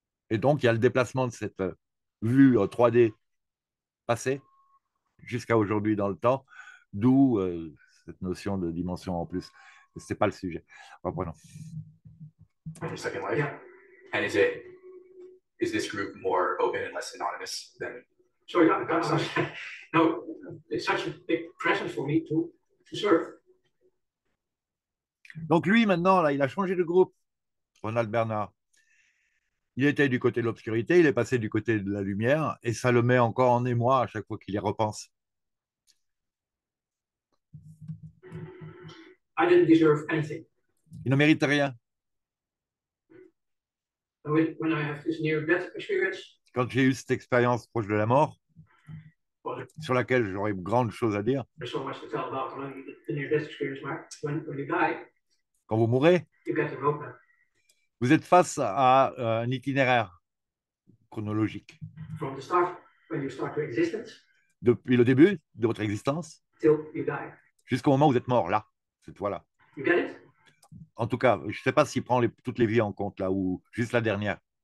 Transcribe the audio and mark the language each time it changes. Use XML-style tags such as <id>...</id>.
<fr>Et donc, il y a le déplacement de cette vue en 3D passée jusqu'à aujourd'hui dans le temps. D'où cette notion de dimension en plus. Ce n'est pas le sujet. Reprenons. Ça viendrait bien.</fr> <en>And is this group more open and less anonymous than? So yeah, that's such, no, it's such a big pressure for me to serve.</en> <fr>Donc lui maintenant là, il a changé de groupe. Ronald Bernard. Il était du côté de l'obscurité, il est passé du côté de la lumière et ça le met encore en émoi à chaque fois qu'il y repense.</fr> <en>I didn't deserve anything.</en> <fr>Il ne mérite rien.</fr> <en>When I have this near-death experience,</en> <fr>quand j'ai eu cette expérience proche de la mort, sur laquelle j'aurais grande chose à dire,</fr> <en>there's so much to tell about the near-death experience, Mark. When you die,</en> <fr>quand vous mourrez,</fr> <en>you get an opening.</en> <fr>Vous êtes face à un itinéraire chronologique.</fr> <en>From the start, when you start your existence,</en> <fr>depuis le début de votre existence</fr> <en>till you die.</en> <fr>Jusqu'au moment où vous êtes mort, là. Cette fois-là.</fr> <en>You get it?</en> <fr>En tout cas, je ne sais pas s'il prend toutes les vies en compte là ou juste la dernière.</fr>